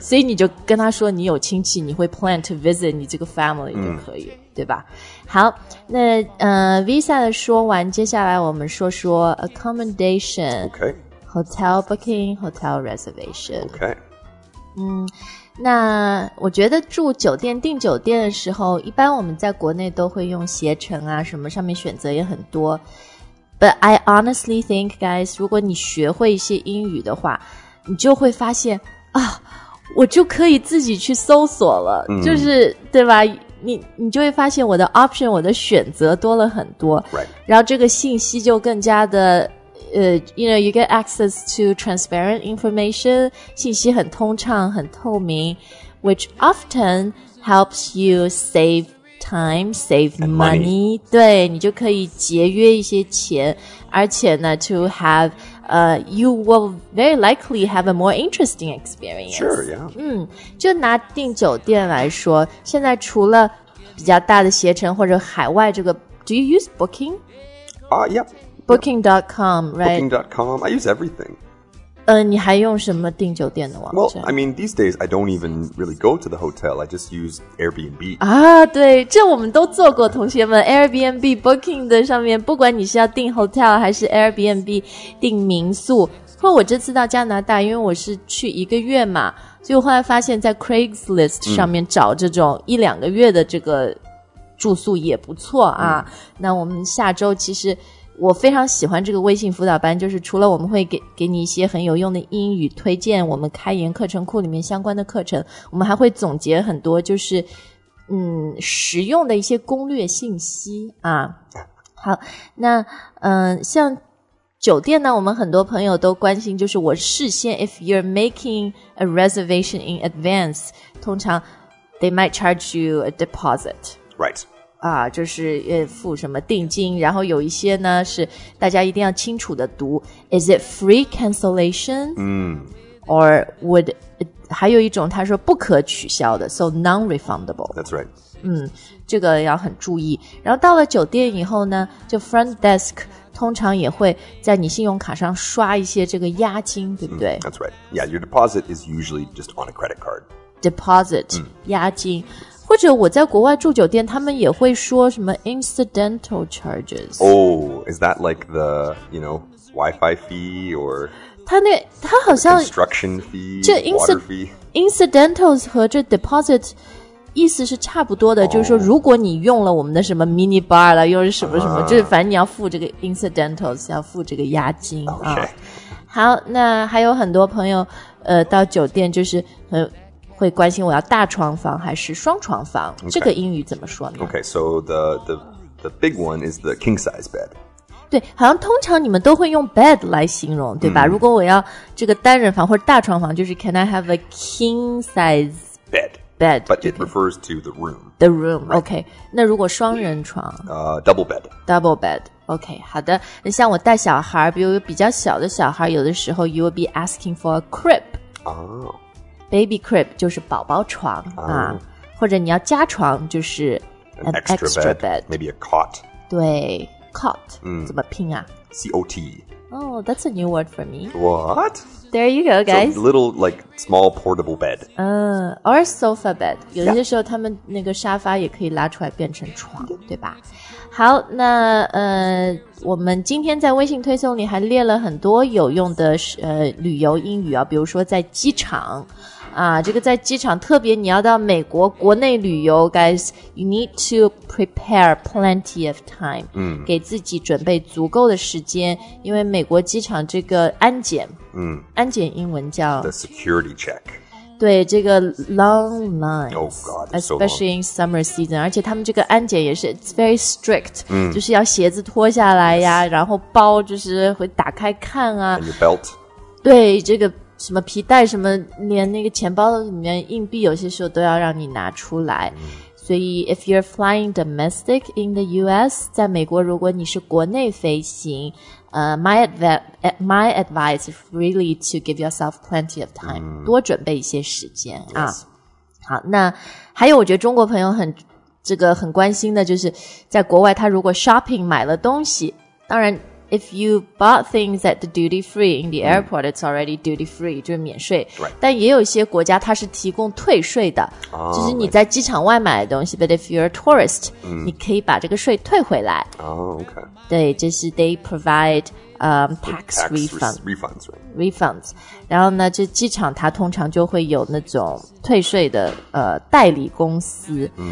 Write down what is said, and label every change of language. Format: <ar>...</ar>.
<zh>所以你就跟他说你有亲戚你会</zh> <en>plan to visit</en> <zh>你这个 family 就可以、对吧好那visa 的说完接下来我们说说 accommodation</zh> <en>Okay. Hotel booking, hotel reservation Okay.</en> <zh>那我觉得住酒店订酒店的时候一般我们在国内都会用携程啊什么上面选择也很多</zh> <en>But I honestly think guys</en> <zh>如果你学会一些英语的话你就会发现啊，我就可以自己去搜索了、就是对吧你就会发现我的 option 我的选择多了很多、</zh> <en>right.</en> <zh>然后这个信息就更加的</zh> <en>you know you get access to transparent information</en> <zh>信息很通畅很透明</zh> <en>which often helps you save time save money</en> <zh>对你就可以节约一些钱而且呢</zh> <en>to haveyou will very likely have a more interesting experience. Sure, yeah.</en> <zh>就拿订酒店来说，现在除了比较大的携程或者海外这个，do you use Booking?</zh> <en>Yeah. Booking.com, right? Booking.com, I use everything.</en> <zh>你还用什么订酒店的网站</zh> <en>Well, I mean, these days, I don't even really go to the hotel. I just use Airbnb.</en> <zh>啊，对，这我们都做过，同学们。Airbnb Booking 的上面，不管你是要订 hotel 还是 Airbnb 订民宿，或我这次到加拿大，因为我是去一个月嘛，所以我后来发现在 Craigslist 上面找这种一两个月的这个住宿也不错啊。嗯、那我们下周其实我非常喜欢这个微信辅导班，就是除了我们会给你一些很有用的英语推荐，我们开源课程库里面相关的课程，我们还会总结很多就是实用的一些攻略信息啊。好，那像酒店呢，我们很多朋友都关心，就是我事先</zh> <en>if you're making a reservation in advance,</en> <zh>通常</zh> <en>they might charge you a deposit. Right.</en> <zh>啊，就是付什么定金，然后有一些呢是大家一定要清楚的读 ，</zh> <en>Is it free cancellation？嗯，or would？</en> <zh>还有一种他说不可取消的 ，</zh> <en>so non-refundable。 That's right。</en> <zh>嗯，这个要很注意。然后到了酒店以后呢，就 front desk 通常也会在你信用卡上刷一些这个押金，对不对、</zh> <en>？That's right。 Yeah， your deposit is usually just on a credit card。</en> <zh>Deposit，、押金。或者我在国外住酒店，他们也会说什么 incidental charges.</zh> <en>Oh, is that like the, you know, Wi-Fi fee or</en> <zh>他好像</zh> <en>construction fee, water fee?</en> <zh>Incidentals 和这 deposit 意思是差不多的、oh. 就是说如果你用了我们的什么 mini bar 了，又是什么什么、就是反正你要付这个 incidentals, 要付这个押金、</zh> <en>okay.</en> <zh>好，那还有很多朋友到酒店就是很会关心我要大床房还是双床房、</zh> <en>okay.</en> <zh>这个英语怎么说呢</zh> <en>Okay, so the big one is the king size bed.</en> <zh>对，好像通常你们都会用 bed 来形容，对吧、如果我要这个单人房或者大床房，就是</zh> <en>can I have a king size bed? Bed, but it refers to the room. The room,、right. okay.</en> <zh>那如果双人床、</zh> <en>double bed. Double bed, okay.</en> <zh>好的，那像我带小孩，比如比较小的小孩，有的时候</zh> <en>you will be asking for a crib. Oh.</en> <zh>Baby crib 就是宝宝床、啊，或者你要加床就是</zh> <en>an extra bed, maybe a cot.</en> <zh>对 ，cot、怎么拼啊</zh> <en>？C O T. Oh, that's a new word for me. What? There you go, guys. So, little like small portable bed. Or sofa bed.</en> <zh>有些时候他们那个沙发也可以拉出来变成床，对吧？好，那我们今天在微信推送里还列了很多有用的旅游英语啊，比如说在机场啊，这个在机场，特别你要到美国国内旅游 ，</zh> <en>guys, you need to prepare plenty of time，</en> <zh>给自己准备足够的时间，因为美国机场这个安检，安检英文叫</zh> <en>the security check。对，这个 long lines, oh God, especially、 so、 in summer season,</en> <zh>而且他们这个安检也是</zh> <en>it's very strict,、</en> <zh>就是要鞋子脱下来呀、</zh> <en>yes.</en> <zh>然后包就是会打开看啊。</zh> <en>And your belt.</en> <zh>对，这个什么皮带什么连那个钱包里面硬币有些时候都要让你拿出来。</zh> <en>所以 if you're flying domestic in the US,</en> <zh>在美国如果你是国内飞行</zh> <en>my advice is really to give yourself plenty of time,、</en> <zh>多准备一些时间、</zh> <en>yes. 啊。好，那还有我觉得中国朋友很关心的就是在国外他如果 shopping 买了东西，当然 if you bought things at the duty free in the airport,、it's already duty free,</en> <zh>就是免税、</zh> <en>right.</en> <zh>但也有些国家它是提供退税的、就是你在机场外买的东西、</zh> <en>right. but if you're a tourist,、</en> <zh>你可以把这个税退回来。</zh> <en>Okay.</en> <zh>对，就是</zh> <en>they provide tax refunds. Refunds, right. Refunds.</en> <zh>然后呢，这机场它通常就会有那种退税的代理公司。</zh>